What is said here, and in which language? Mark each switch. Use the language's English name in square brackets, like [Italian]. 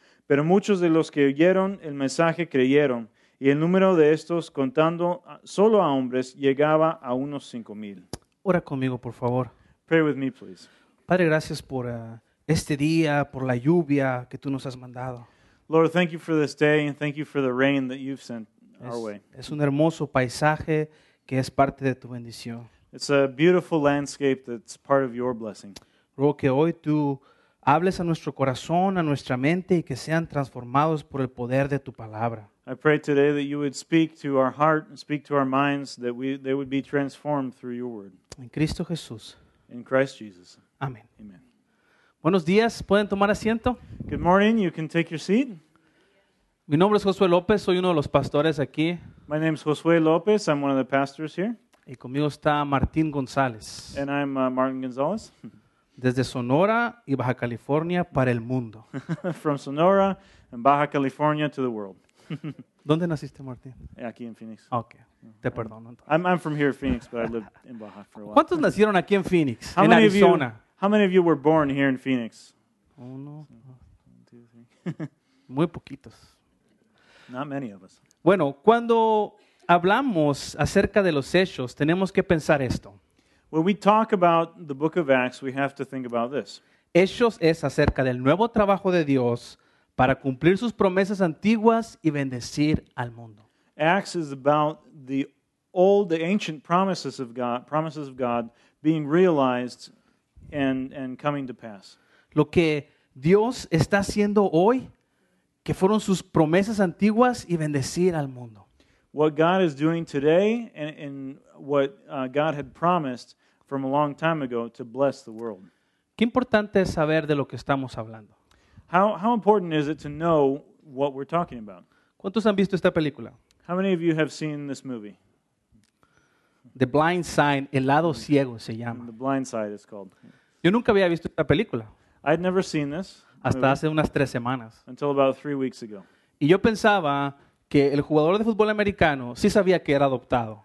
[Spanish] Pero muchos de los que oyeron el mensaje creyeron, y el número de estos, contando solo a hombres, llegaba a unos 5,000. Ora conmigo, por favor. [English] Pray with me, please. [Spanish] Padre, gracias por este día, por la lluvia que tú nos has mandado. [English] Lord, thank you for this day and thank you for the rain that you've sent our way. [Spanish] Es un hermoso paisaje que es parte de tu bendición. [English] It's a beautiful landscape that's part of your blessing. [Spanish] Ruego que hoy tú hables a nuestro corazón, a nuestra mente y que sean transformados por el poder de tu palabra. [English] I pray today that you would speak to our heart and speak to our minds that they would be transformed through your word. [Spanish] En Cristo Jesús. [English] In Christ Jesus. [Spanish] Amén. [English] Amen. [Spanish] Buenos días, ¿pueden tomar asiento? [English] Good morning, you can take your seat. [Spanish] Mi nombre es Josue Lopez, soy uno de los pastores aquí. [English] My name is Josue Lopez, I'm one of the pastors here. [Spanish] Y conmigo está Martín González. [English] And I'm Martin Gonzalez. [Spanish] Desde Sonora y Baja California para el mundo. [English] From Sonora and Baja California to the world. [Spanish] ¿Dónde naciste, Martín? Aquí en Phoenix. Okay. Te perdono. [English] I'm from here in Phoenix, but I lived in Baja for a while. [Spanish] ¿Cuántos nacieron aquí en Phoenix? En Arizona. [English] How many of you were born here in Phoenix? [Spanish] Uno, dos, tres. Muy poquitos. [English] Not many of us. [Spanish] Bueno, cuando hablamos acerca de los hechos, tenemos que pensar esto. [English] When we talk about the book of Acts, we have to think about this. [Spanish] Hechos es acerca del nuevo trabajo de Dios para cumplir sus promesas antiguas y bendecir al mundo. [English] Acts is about the ancient promises of God being realized and coming to pass. [Spanish] Lo que Dios está haciendo hoy, que fueron sus promesas antiguas y bendecir al mundo. [English] What God is doing today and what God had promised from a long time ago to bless the world. [Spanish] Qué importante es saber de lo que estamos hablando. [English] How important is it to know what we're talking about? [Spanish] ¿Cuántos han visto esta película? [English] How many of you have seen this movie? [Spanish] The Blind Side, El Lado Ciego se llama. [English] The Blind Side is called. [Spanish] Yo nunca había visto esta película. [English] I'd never seen this. [Spanish] Hasta hace unas tres semanas. [English] Until about 3 weeks ago. [Spanish] Y yo pensaba que el jugador de fútbol americano sí sabía que era adoptado.